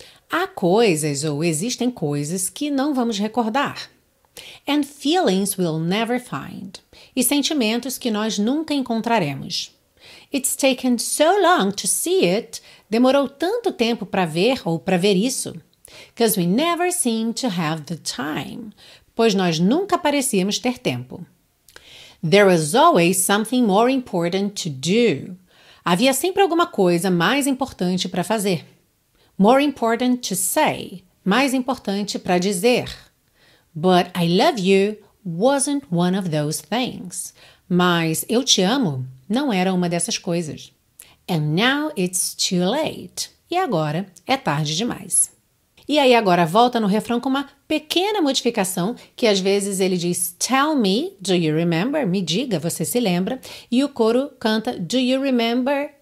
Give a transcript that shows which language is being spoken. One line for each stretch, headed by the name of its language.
Portuguese: Há coisas ou existem coisas que não vamos recordar.
English: And feelings we'll never find.
Portuguese: E sentimentos que nós nunca encontraremos.
English: It's taken so long to see it.
Portuguese: Demorou tanto tempo para ver ou para ver isso.
English: 'Cause we never seem to have the time.
Portuguese: Pois nós nunca parecíamos ter tempo.
English: There was always something more important to do.
Portuguese: Havia sempre alguma coisa mais importante para fazer.
English: More important to say.
Portuguese: Mais importante para dizer.
English: But I love you wasn't one of those things.
Portuguese: Mas eu te amo não era uma dessas coisas.
English: And now it's too late.
Portuguese: E agora é tarde demais. E aí agora volta no refrão com uma pequena modificação, que às vezes ele diz,
English: tell me, do you remember?
Portuguese: Me diga, você se lembra? E o coro canta,
English: do you remember?